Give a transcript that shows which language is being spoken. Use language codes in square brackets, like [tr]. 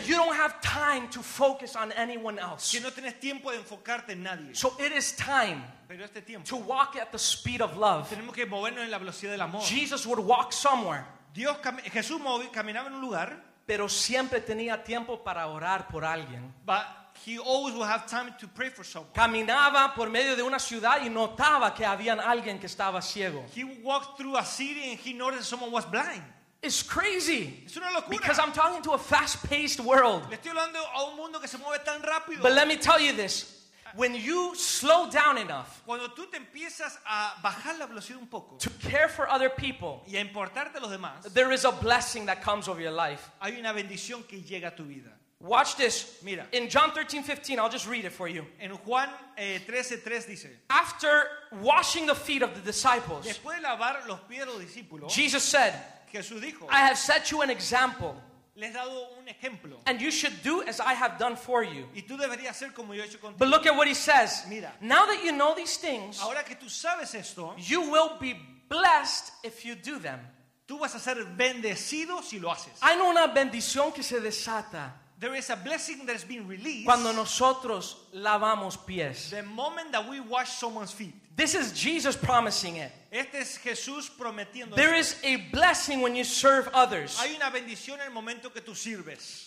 [en] That you don't have time to focus on anyone else. [es] Que no tienes tiempo de enfocarte en nadie. [en] So it is time. [es] Pero este tiempo. [en] To walk at the speed of love. [es] Tenemos que movernos en la velocidad del amor. [en] Jesus would walk somewhere. [es] Dios Jesús caminaba en un lugar. Pero siempre tenía tiempo para orar por alguien. [en] But he always would have time to pray for someone. [es] Caminaba por medio de una ciudad y notaba que había alguien que estaba ciego. [en] He walked through a city and he noticed someone was blind. It's crazy. [es] Es una locura. [en] Because I'm talking to a fast-paced world. [es] Le estoy hablando a un mundo que se mueve tan rápido. [en] But let me tell you this. When you slow down enough, [es] cuando tú te empiezas a bajar la velocidad un poco, [en] to care for other people, [es] y a importarte a los demás, [en] there is a blessing that comes over your life. [es] Hay una bendición que llega a tu vida. [en] Watch this. [es] Mira. [en] In John 13:15, I'll just read it for you. [es] En Juan 13:3 dice, [en] after washing the feet of the disciples, [es] después de lavar los pies de los discípulos, [en] Jesus said, [es] Jesús dijo, [en] I have set you an example. [es] Les he dado un ejemplo. [en] And you should do as I have done for you. [es] Y tú deberías hacer como yo he hecho contigo. [en] But look at what he says. [es] Mira. [en] Now that you know these things, [es] ahora que tú sabes esto, [en] you will be blessed if you do them. [es] Tú vas a ser bendecido si lo haces. Hay una bendición que se desata. [en] There is a blessing that has been released. [es] Cuando nosotros lavamos pies. [en] The moment that we wash someone's feet. This is Jesus promising it. [es] Este es Jesús prometiendo. [en] There is a blessing when you serve others. [es] Hay una bendición en el momento que tú sirves.